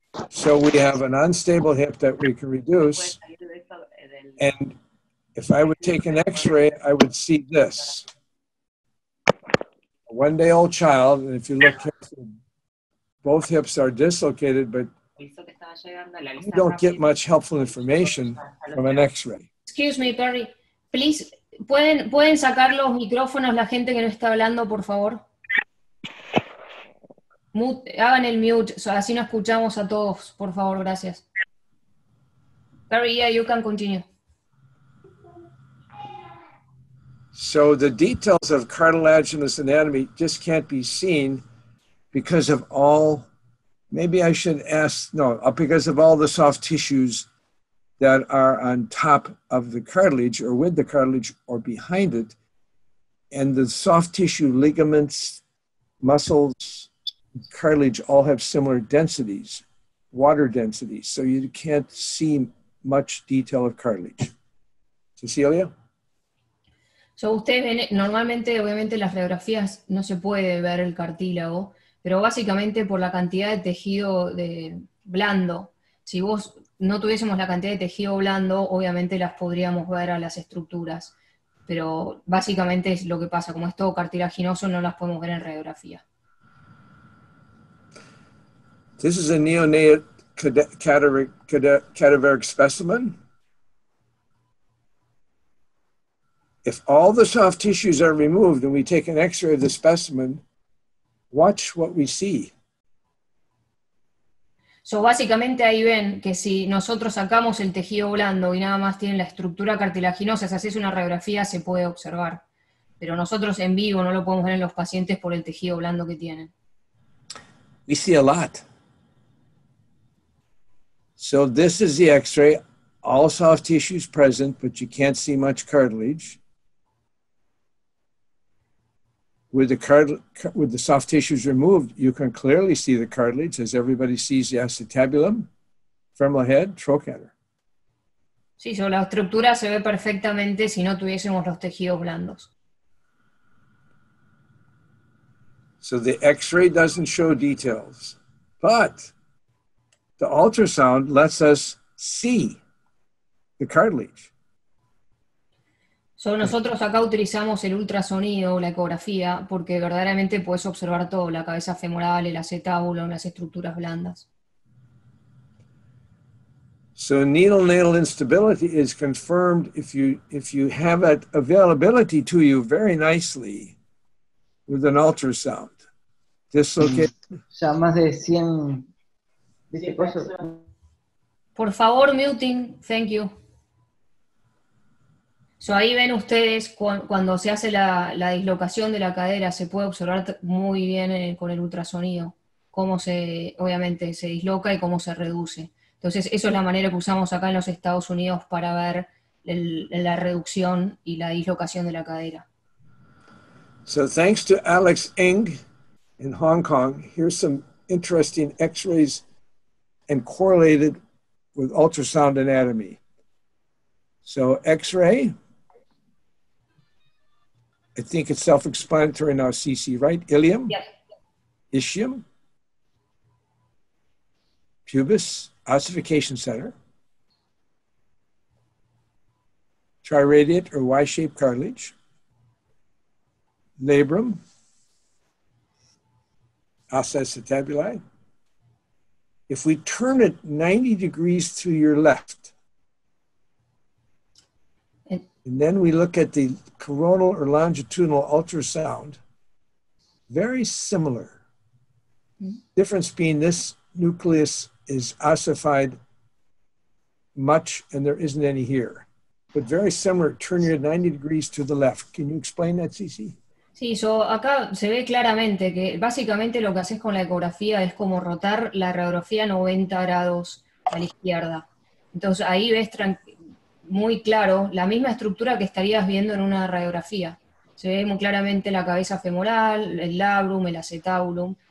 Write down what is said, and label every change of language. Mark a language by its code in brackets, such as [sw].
[en] So we have an unstable hip that we can reduce. And if I would take an x-ray, I would see this. A one-day-old child, and if you look carefully, both hips are dislocated, but you don't get much helpful information from an x-ray. Excuse me, Perry. [es] Please, ¿pueden sacar los micrófonos la gente que no está hablando, por favor? Hagan el mute, so así nos escuchamos a todos, por favor, gracias. [en] Perry, yeah, you can continue. So the details of cartilaginous anatomy just can't be seen because of all, maybe I should ask, no, because of all the soft tissues that are on top of the cartilage or with the cartilage or behind it. And the soft tissue, ligaments, muscles, cartilage all have similar densities, water densities. So you can't see much detail of cartilage. Cecilia? [es] So usted ven, normalmente, obviamente, las radiografías no se puede ver el cartílago, pero básicamente por la cantidad de tejido de blando, si vos no tuviésemos la cantidad de tejido blando, obviamente las podríamos ver a las estructuras. Pero básicamente es lo que pasa, como es todo cartilaginoso, no las podemos ver en radiografía. [en] This is a neonate cadaveric specimen. if all the soft tissues are removed and we take an x-ray of the specimen, watch what we see. [es] So básicamente ahí ven que si nosotros sacamos el tejido blando y nada más tienen la estructura cartilaginosa, si haces una radiografía se puede observar. Pero nosotros en vivo no lo podemos ver en los pacientes por el tejido blando que tienen. [en] We see a lot. So this is the x-ray, all soft tissues present, but you can't see much cartilage. With the soft tissues removed, you can clearly see the cartilage, as everybody sees the acetabulum, femoral head, trochanter. [es] Sí, so la estructura se ve perfectamente si no tuviésemos los tejidos blandos. [en] So the x-ray doesn't show details, but the ultrasound lets us see the cartilage. [es] So nosotros acá utilizamos el ultrasonido, la ecografía, porque verdaderamente puedes observar todo, la cabeza femoral, el acetábulo, las estructuras blandas. [en] So needle-nail instability is confirmed if you have it availability to you very nicely with an ultrasound. Dislocate. [es] Ya más de 100. Por favor, [en] muting. Thank you. [es] So ahí ven ustedes cuando se hace la dislocación de la cadera, se puede observar muy bien con el ultrasonido, cómo se, obviamente, se disloca y cómo se reduce. Entonces, eso es la manera que usamos acá en los Estados Unidos para ver la reducción y la dislocación de la cadera. [en] So thanks to Alex Ng in Hong Kong, here's some interesting x-rays and correlated with ultrasound anatomy. So x-ray, I think it's self-explanatory now, CC, right? Ilium? Yes. Ischium? Pubis? Ossification center? Triradiate or Y-shaped cartilage? Labrum? Ossa acetabuli? If we turn it 90 degrees to your left, and then we look at the coronal or longitudinal ultrasound, very similar. Difference being this nucleus is ossified much and there isn't any here. But very similar, turn your 90 degrees to the left. Can you explain that, Cici? [es] Sí, so acá se ve claramente que básicamente lo que haces con la ecografía es como rotar la radiografía 90 grados a la izquierda. Entonces ahí ves muy claro, la misma estructura que estarías viendo en una radiografía. Se ve muy claramente la cabeza femoral, el labrum, el acetábulum.